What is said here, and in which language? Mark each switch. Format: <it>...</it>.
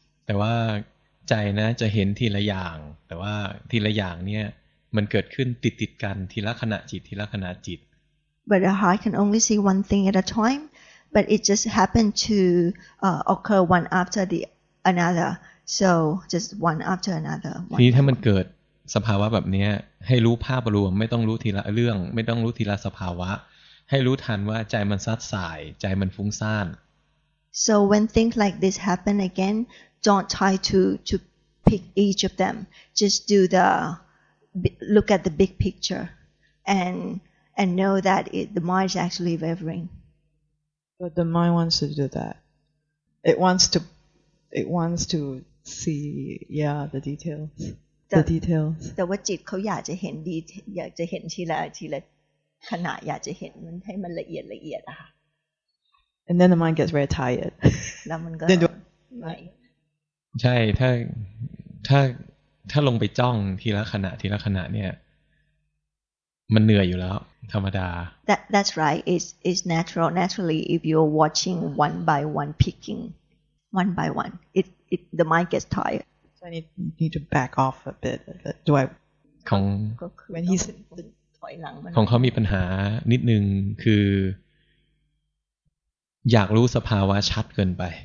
<th>แต่ว่าใจนะจะเห็นทีละอย่างแต่ว่าทีละอย่างเนี่ยมันเกิดขึ้นติดกันทีละขณะจิตทีละขณะจิต</th> <en>But the heart can only see one thing at a time but it just happened to occur one after the another. So just one after another.</en> <th>ทีนี้ถ้ามันเกิดสภาวะแบบนี้ให้รู้ภาพรวมไม่ต้องรู้ทีละเรื่องไม่ต้องรู้ทีละสภาวะให้รู้ทันว่าใจมันซัดสายใจมันฟุ้งซ่าน</th> <en>So when things like this happen again, don't try to pick each of them. Just do the look at the big picture and know that the mind is actually wavering. But the mind wants to do that. It wants to see yeah the details.</en> <th>แต่ว่าจิตเขาอยากจะเห็นดีอยากจะเห็นทีละขณะอยากจะเห็นมันให้มันละเอียดอะค่ะ</th> <en>And then the mind gets very tired</en> <th>แล้วมันก็</th> <en>then do</en> <th>ใช่ถ้าลงไปจ้องทีละขณะเนี่ยมันเหนื่อยอยู่แล้วธรรมดา</th> <en>That's right it's naturally if you're watching one by one picking one by one it the mind gets tired I need to back off a bit. Do I?</en> <th>ของ</th> <en>when he's</en> <th>ถอยหลังมันของเขามีปัญหานิดนึงคืออยากรู้สภาวะชัดเกินไป</th>